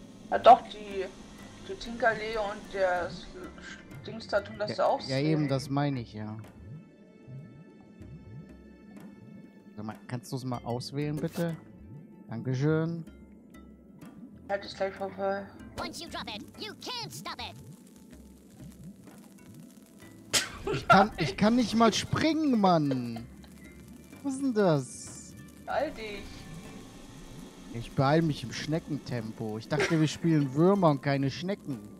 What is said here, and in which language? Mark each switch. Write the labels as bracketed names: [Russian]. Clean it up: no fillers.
[German] Ja doch, die Tinkerlee und der Dings da tun das ja auch sehen. Ja eben, das meine ich ja. Sag mal, kannst du es mal auswählen bitte? Dankeschön. Ich halte es gleich vorbei. [English] Once you drop it, you can't stop it. [German] Ich kann nicht mal springen, Mann. Was ist denn das? Beeil dich. Ich beeil mich im Schneckentempo. Ich dachte, wir spielen Würmer und keine Schnecken.